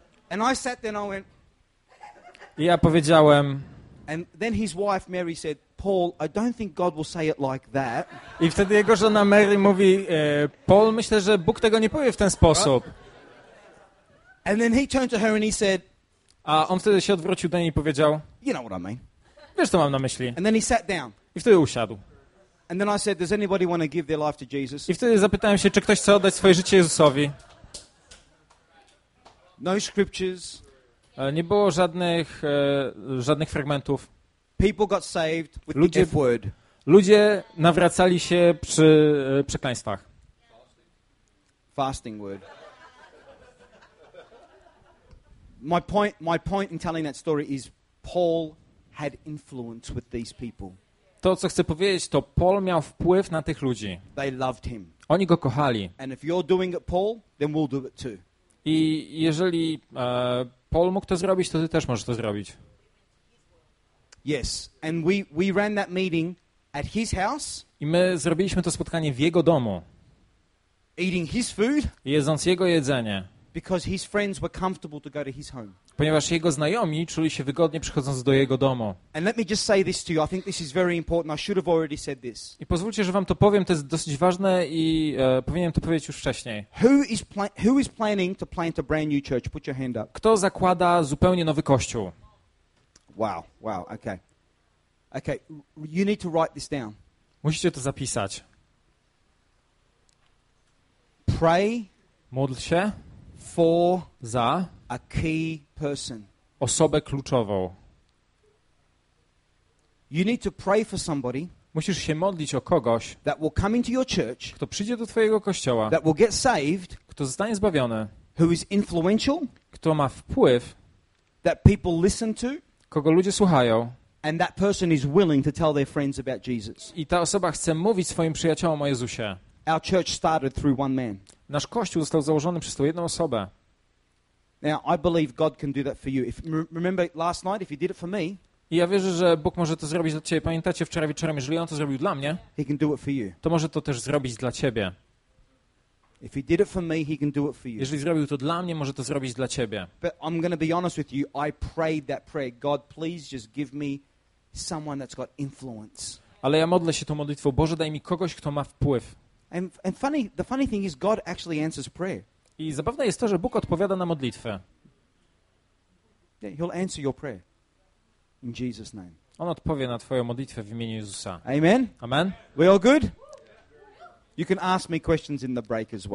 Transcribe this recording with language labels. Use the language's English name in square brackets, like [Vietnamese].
[English] And I sat there and I went. [Polish] I ja powiedziałem. [English] And then his wife Mary said, "Paul, I don't think God will say it like that." [Polish] I wtedy jego żona Mary mówi, Paul, myślę, że Bóg tego nie powie w ten sposób. [English] And then he turned to her and he said. [Polish] A on wtedy się odwrócił do niej i powiedział. [English] You know what I mean. [Polish] Wiesz, co mam na myśli. [English] And then he sat down. [Polish] I wtedy usiadł. [English] And then I said, does anybody want to give their life to Jesus? [Polish] I wtedy zapytałem się, czy ktoś chce oddać swoje życie Jezusowi. [English] No scriptures. [Polish] Nie było żadnych fragmentów. [English] People got saved with the F word. [Polish] Ludzie nawracali się przy przekleństwach. [English] Fasting word. My point in telling that story is Paul had influence with these people. [Polish] To co chcę powiedzieć, to Paul miał wpływ na tych ludzi. [English] They loved him. [Polish] Oni go kochali. [English] And if you're doing it, Paul, then we'll do it too. [Polish] I jeżeli Paul mógł to zrobić, to ty też możesz to zrobić. [English] Yes, and we ran that meeting at his house. [Polish] I my zrobiliśmy to spotkanie w jego domu. [English] Eating his food. [Polish] Jedząc jego jedzenie. [English] because his friends were comfortable to go to his home. [Polish] Ponieważ jego znajomi czuli się wygodnie przychodząc do jego domu. [English] And let me just say this to you. I think this is very important. I should have already said this. [Polish] I pozwólcie, że wam to powiem, to jest dosyć ważne i powinienem to powiedzieć już wcześniej. [English] Who is planning to plant a brand new church? Put your hand up. [Polish] Kto zakłada zupełnie nowy kościół? [English] Wow, okay. Okay, you need to write this down. [Polish] Musicie to zapisać. [English] Pray. [Polish] Módl się. [English] For. [Polish] Za. [English] A key person. [Polish] Osobę kluczową. [English] You need to pray for somebody. [Polish] Musisz się modlić o kogoś. [English] That will come into your church. [Polish] Kto przyjdzie do twojego kościoła. [English] That will get saved. [Polish] Kto zostanie zbawiony. [English] Who is influential. [Polish] Kto ma wpływ. [English] That people listen to. [Polish] Kogo ludzie słuchają. [English] And that person is willing to tell their friends about Jesus. [Polish] I ta osoba chce mówić swoim przyjaciołom o Jezusie. [English] Our church started through one man. [Polish] Nasz kościół został założony przez tą jedną osobę. [English] Now I believe God can do that for you. Remember last night, if He did it for me. [Polish] I ja wierzę, że Bóg może to zrobić dla ciebie. Pamiętacie wczoraj wieczorem, jeżeli On to zrobił dla mnie, [English] He can do it for you. [Polish] To może to też zrobić dla ciebie. [English] If He did it for me, He can do it for you. [Polish] Jeżeli zrobił to dla mnie, może to zrobić dla ciebie. [English] But I'm going to be honest with you. I prayed that prayer. God, please just give me someone that's got influence. [Polish] Ale ja modlę się tą modlitwą. Boże, daj mi kogoś, kto ma wpływ. [English] And funny, the funny thing is, God actually answers prayer. [Polish] I zabawne jest to, że Bóg odpowiada na modlitwę. [English] Yeah, he'll answer your prayer in Jesus' name. [Polish] On odpowie na twoją modlitwę w imieniu Jezusa. [English] Amen. [Polish] Amen. [English] We all good? You can ask me questions in the break as well.